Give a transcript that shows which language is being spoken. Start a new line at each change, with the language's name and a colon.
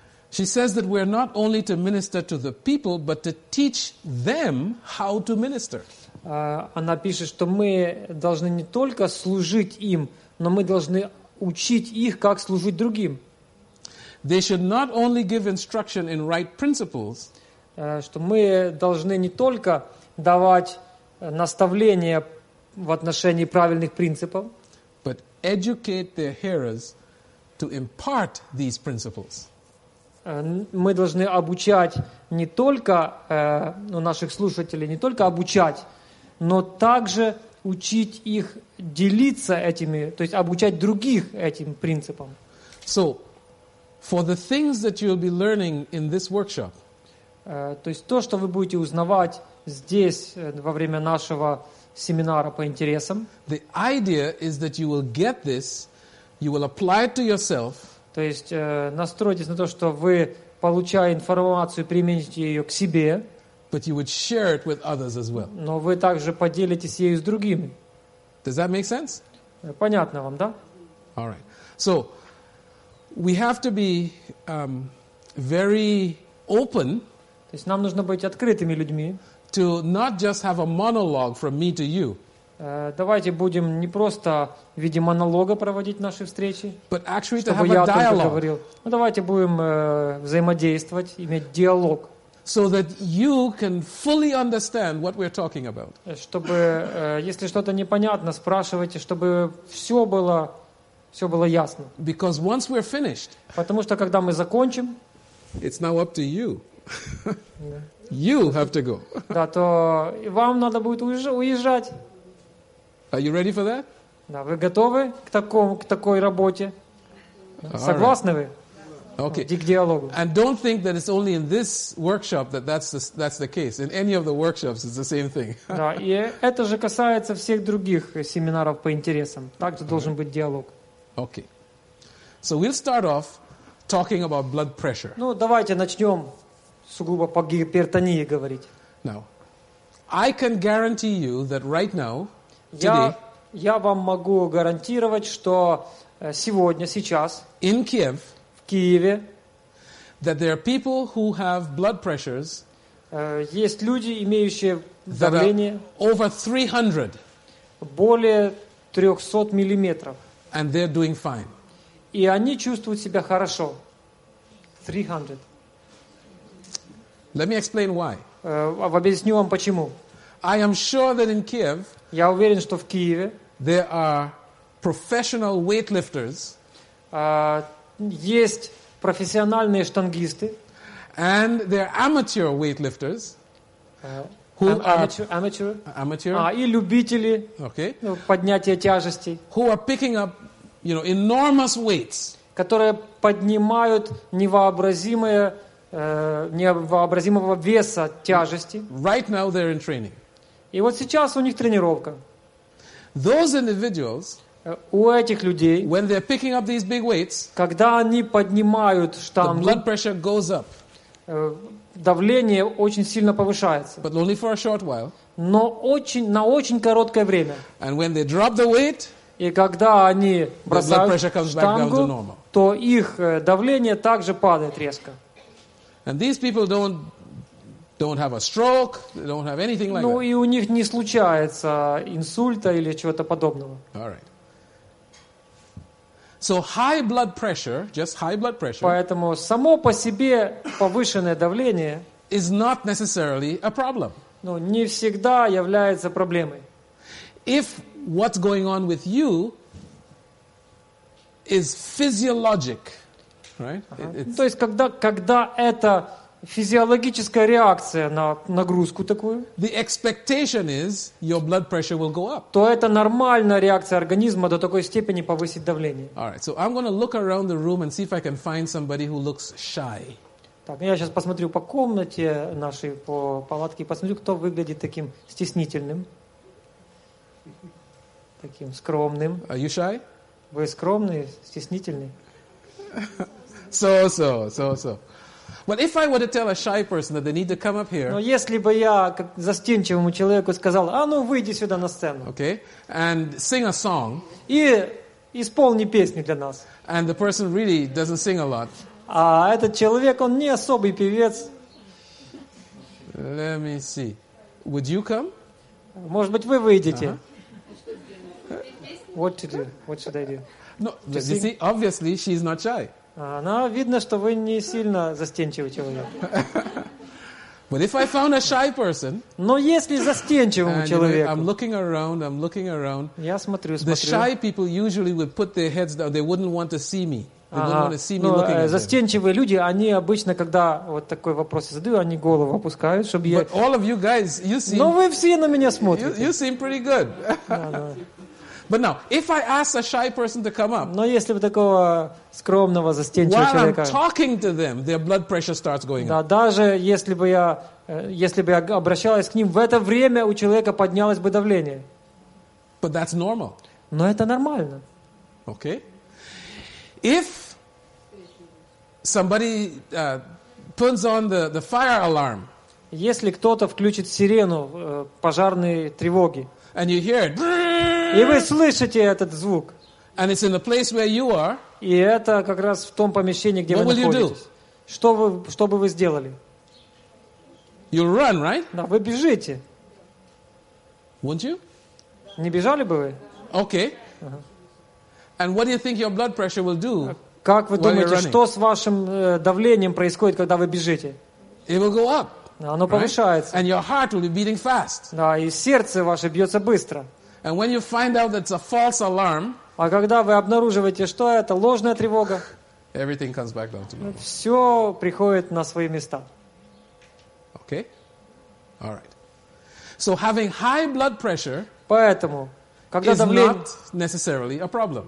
English: She says that we are not only to minister to the people, but to teach them how to minister.
Russian: Она пишет, что мы должны не только служить им, но мы должны учить их, как служить другим.
English: They should not only give instruction in right principles,
Russian: что мы должны не только давать наставления в отношении правильных принципов,
English: but educate their hearers to impart these principles.
Russian: Мы должны обучать не только наших слушателей, не только обучать, но также учить их делиться этими, то есть обучать других этим принципам.
English: So, for the things that you'll be learning in this workshop,
Russian: то есть то, что вы будете узнавать здесь во время нашего семинара по интересам,
English: the idea is that you will get this, you will apply it to yourself,
Russian: то есть настройтесь на то, что вы, получая информацию, примените ее к себе,
English: but you would share it with others as well.
Russian: Но вы также поделитесь ею с другими.
English: Does that make sense?
Russian: Понятно вам, да?
English: All right. So, we have to be very open.
Russian: То есть нам нужно быть открытыми людьми.
English: To not just have a monologue from me to you.
Russian: Давайте будем не просто в виде монолога проводить наши встречи,
English: but actually
Russian: чтобы
English: to have
Russian: я
English: a dialogue.
Russian: Только говорил. Ну, давайте будем взаимодействовать, иметь диалог.
English: So that you can fully understand what we're talking about.
Russian: Чтобы, если что-то непонятно, спрашивайте, чтобы все было ясно.
English: Because once we're finished,
Russian: потому что когда мы закончим,
English: it's now up to you. You have to go.
Russian: Да, то вам надо будет уезжать.
English: Are you ready for that?
Russian: Да, вы готовы к такой работе? Согласны вы?
English: Okay. And don't think that it's only in this workshop that's the case. In any of the workshops, it's the same thing.
Russian: Да, и это же касается всех других семинаров по интересам. Так же должен быть диалог.
English: Okay. So we'll start off talking about blood pressure.
Russian: Ну, давайте начнем сугубо по гипертонии говорить.
English: Now, I can guarantee you that right now,
Russian: я вам могу гарантировать, что сегодня, сейчас,
English: in Kiev,
Russian: Киеве,
English: that there are people who have blood pressures,
Russian: есть люди, имеющие давление
English: over 300,
Russian: более 300 миллиметров,
English: and they're doing fine.
Russian: И они чувствуют себя хорошо.
English: 300. Let me explain why.
Russian: Объясню вам почему.
English: I am sure that in Kiev,
Russian: я уверен, что в Киеве,
English: there are professional weightlifters,
Russian: есть профессиональные штангисты,
English: and they're amateur weightlifters, who amateur.
Russian: И любители,
English: okay,
Russian: поднятия тяжестей,
English: who are picking up, you know, enormous weights,
Russian: которые поднимают невообразимого веса тяжести.
English: Right now they're in training.
Russian: И вот сейчас у них тренировка.
English: Those individuals,
Russian: у этих людей,
English: when they're picking up these big weights,
Russian: когда они поднимают штангу,
English: the blood pressure goes up.
Russian: Давление очень сильно повышается.
English: But only for a short while.
Russian: Но очень, на очень короткое время.
English: And when they drop the weight,
Russian: и когда они бросают штангу, то их давление также падает резко.
English: And these people don't have a stroke, they don't have anything like
Russian: ну,
English: that.
Russian: И у них не случается инсульта или чего-то подобного.
English: All right. So high blood pressure, just high blood pressure,
Russian: поэтому само по себе повышенное давление
English: is not necessarily a problem.
Russian: Ну, не всегда является проблемой.
English: If what's going on with you is physiologic, right? Uh-huh.
Russian: То есть когда это физиологическая реакция на нагрузку такую,
English: the expectation is your blood pressure will go up.
Russian: То это нормальная реакция организма до такой степени повысить давление.
English: All right, so I'm going to look around the room and see if I can find somebody who looks shy.
Russian: Так, я сейчас посмотрю по комнате нашей, по палатке, посмотрю, кто выглядит таким стеснительным, таким скромным.
English: Are you shy?
Russian: Вы скромный, стеснительный?
English: So. But if I were to tell a shy person that they need to come up here,
Russian: но если бы я как застенчивому человеку сказал, а ну выйди сюда на сцену,
English: okay, and sing a song,
Russian: и исполни песню для нас,
English: and the person really doesn't sing a lot,
Russian: а этот человек он не особый певец,
English: let me see, would you come?
Russian: Может быть вы выйдете?
English: Uh-huh. What to do? What should I do? No, to you sing? See, obviously she's not shy.
Russian: Она видно, что вы не сильно застенчивый человек.
English: But if I found a shy person,
Russian: но если застенчивому человеку,
English: I'm looking around, I'm looking around.
Russian: Я смотрю, смотрю.
English: The shy people usually would put their heads down. They wouldn't want to see me. They wouldn't want to see me looking at them.
Russian: Застенчивые люди, они обычно, когда вот такой вопрос задаю, они голову опускают, чтобы я.
English: But all of you guys, you seem.
Russian: Но вы все на меня смотрите.
English: You seem pretty good. But now, if I ask a shy person to come up,
Russian: но если бы такого скромного застенчивого
English: while
Russian: человека,
English: I'm talking to them, their blood pressure starts going
Russian: да,
English: up.
Russian: Даже если бы я обращалась к ним, в это время у человека поднялось бы давление.
English: But that's normal.
Russian: Но это нормально.
English: Okay. If somebody turns on the fire alarm,
Russian: если кто-то включит сирену пожарной тревоги,
English: and you hear it,
Russian: и вы слышите этот звук.
English: And it's in the place where you are.
Russian: И это как раз в том помещении, где
English: what
Russian: вы находитесь. Что бы вы сделали?
English: You run, right?
Russian: Да, вы бежите.
English: Won't you?
Russian: Не бежали бы вы?
English: Okay. Uh-huh. And what do you think your blood pressure will do?
Russian: Как вы думаете, что с вашим давлением происходит, когда вы бежите?
English: It will go up.
Russian: Да, оно повышается.
English: And your heart will be beating fast.
Russian: Да, и сердце ваше бьется быстро.
English: And when you find out that it's a false alarm,
Russian: а когда вы обнаруживаете, что это ложная тревога,
English: everything comes back down to normal.
Russian: Все приходит на свои места.
English: Okay? All right. So having high blood pressure,
Russian: поэтому, когда
English: is
Russian: давление,
English: not necessarily a problem.